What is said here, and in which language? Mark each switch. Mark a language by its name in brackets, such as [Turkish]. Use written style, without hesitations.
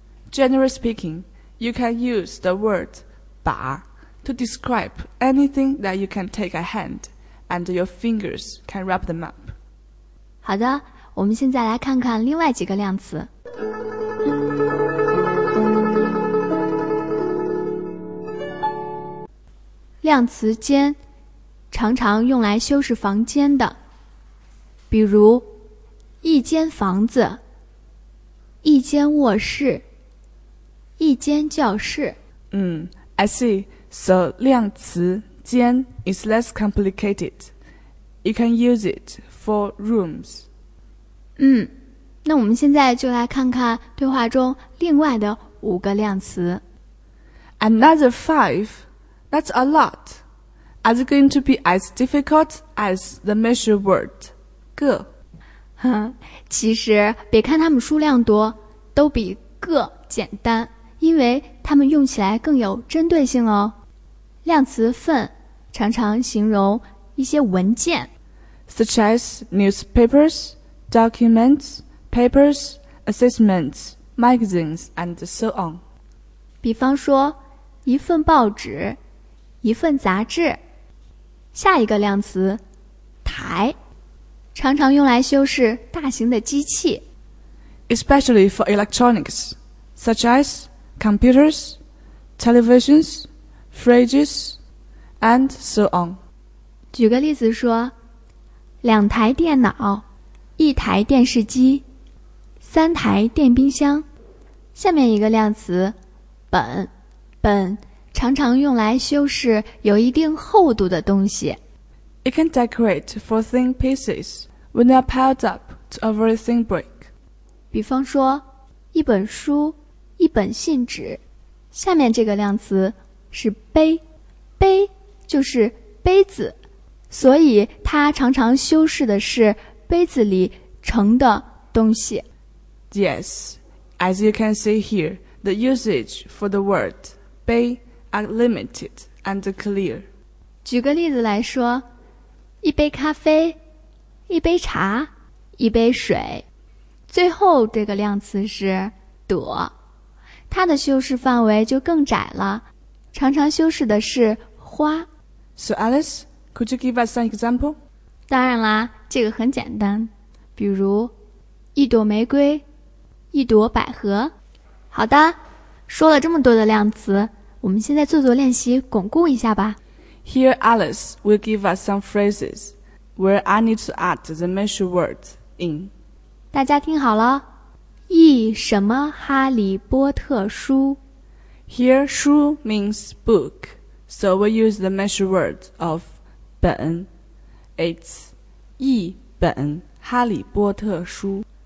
[English] Generally speaking, you can use the word 把 to describe anything that you can take a hand and your fingers can wrap them up. [Chinese] 好的，我们现在来看看另外几个量词。量词间常常用来修饰房间的，比如一间房子、一间卧室、一间教室。 [English] I see. So, 量词间 is less complicated. You can use it for rooms. [Chinese] 那我们现在就来看看对话中另外的五个量词。 [English] Another five. That's a lot. Is it going to be as difficult as the measure word? 个。 [Chinese] 其实别看它们数量多，都比个简单，因为它们用起来更有针对性哦。量词份常常形容一些文件。 [English] Such as newspapers, documents, papers, assessments, magazines, and so on. [Chinese] 比方说一份报纸。一份杂志。下一个量词台常常用来修饰大型的机器。 [English] Especially for electronics, such as computers, televisions, fridges, and so on. [Chinese] 举个例子说两台电脑一台电视机三台电冰箱。下面一个量词本本常常用来修饰有一定厚度的东西。 [English] It can decorate for thin pieces when they are piled up to a very thin brick. [Chinese] 比方说，一本书，一本信纸。下面这个量词是杯，杯就是杯子，所以它常常修饰的是杯子里盛的东西。 [English] Yes, as you can see here, the usage for the word 杯are limited and clear. [Chinese] 举个例子来说，一杯咖啡，一杯茶，一杯水。最后这个量词是朵，它的修饰范围就更窄了，常常修饰的是花。 [English] So Alice, could you give us an example? [Chinese] 当然啦，这个很简单，比如一朵玫瑰，一朵百合。好的，说了这么多的量词，我们现在做做练习，巩固一下吧。 [English] Here Alice will give us some phrases where I need to add the measure word in. [Chinese] 大家听好了，一什么哈利波特书。 [English] Here 书 means book, so we use the measure word of 本. It's [Chinese] 一本哈利波特书。